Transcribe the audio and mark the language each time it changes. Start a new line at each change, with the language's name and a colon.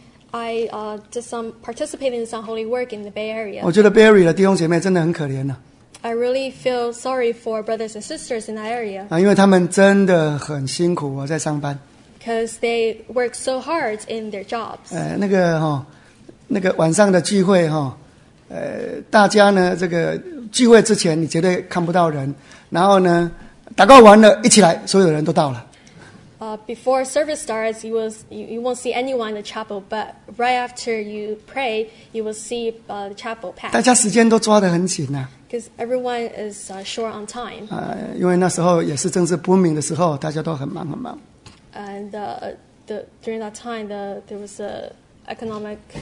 English: I did some participating in some holy work in the Bay Area.
Chinese: 我觉得 Bay Area 的弟兄姐妹真的很可怜呐、啊。
English: I really feel sorry for brothers and sisters in that area.
Chinese: 因为他们真的很辛苦哦，在上班。
English: Because they work so hard in their jobs.
Chinese: 那个晚上的聚会哈，大家呢这个聚会之前你绝对看不到人，然后呢祷告完了一起来，所有人都到了。
English: Before service starts, you won't see anyone in the chapel, but right after you pray, you will see the chapel packed.
Chinese: 大家时间都抓得很紧啊。
English: Because everyone is short on time.
Chinese: 因为那时候也是政治不明的时候，大家都很忙很忙。
English: And during that time, there was an economic